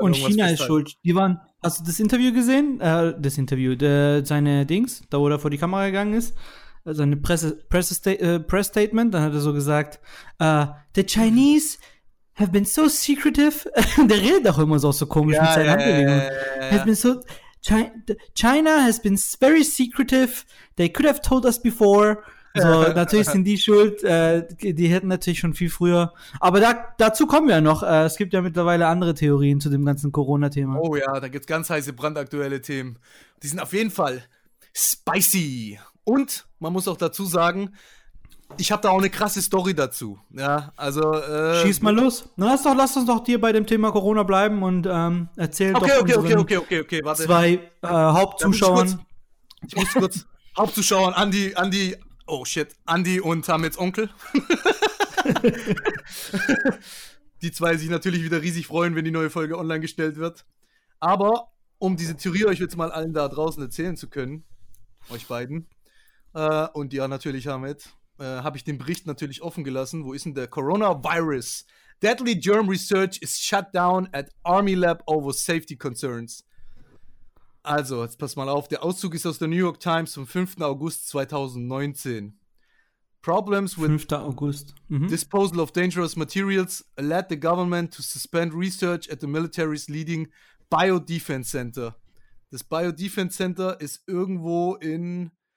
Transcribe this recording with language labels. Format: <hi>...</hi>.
<de>und China festhalten. Ist schuld. Hast du das Interview gesehen? Seine Dings, da wo er vor die Kamera gegangen ist. Seine Press-Statement. Dann hat er so gesagt,</de> <en>the Chinese have been so secretive.</en> <de>Der redet auch immer so komisch mit seinen Handbewegungen.</de> <en>China has been very secretive. They could have told us before.</en> <de>So, natürlich sind die schuld, die hätten natürlich schon viel früher. Aber dazu kommen wir ja noch. Es gibt ja mittlerweile andere Theorien zu dem ganzen Corona-Thema. Oh ja, da gibt's ganz heiße, brandaktuelle Themen. Die sind auf jeden Fall spicy. Und man muss auch dazu sagen, ich habe da auch eine krasse Story dazu. Ja, also schieß mal los. Lass uns doch hier bei dem Thema Corona bleiben und erzähl doch unseren zwei Hauptzuschauern. Ich muss kurz Hauptzuschauern, Andi.</de> <en>Oh shit,</en> <de>Andi und Hamids Onkel. Die zwei sich natürlich wieder riesig freuen, wenn die neue Folge online gestellt wird. Aber um diese Theorie euch jetzt mal allen da draußen erzählen zu können, euch beiden, und ja natürlich Hamid, habe ich den Bericht natürlich offen gelassen. Wo ist denn der Coronavirus?</de> <en>Deadly Germ Research is shut down at Army Lab over safety concerns.</en> <de>Also, jetzt pass mal auf. Der Auszug ist aus der New York Times vom 5.</de> <en>August 2019. Problems with</en> <de>5. August.</de> <en>Disposal of dangerous materials led the government to suspend research at the military's leading Biodefense Center.</en> <de>Das Biodefense Center ist irgendwo in...</de>